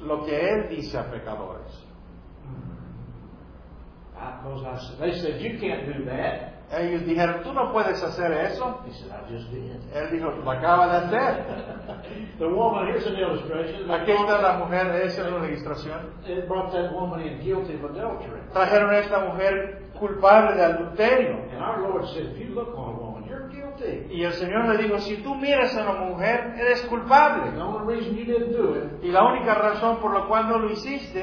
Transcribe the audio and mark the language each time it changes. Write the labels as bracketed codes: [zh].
[es] Lo que él dice a pecadores. [en] They said, you can't do that. [es] Ellos dijeron, tú no puedes hacer eso. [en] He said, I just did. [es] Él dijo, lo acaba de hacer. [en] The woman, here's an illustration. [es] Aquí está la mujer, esa es una ilustración. [en] It brought that woman in guilty of adultery. [es] Trajeron a esta mujer culpable de adulterio. [en] And our Lord said, if you look on a woman, you're guilty. [es] Y el Señor le dijo, si tú miras a una mujer, eres culpable. [en] The only reason you didn't do it, [es] y la única razón por la cual no lo hiciste,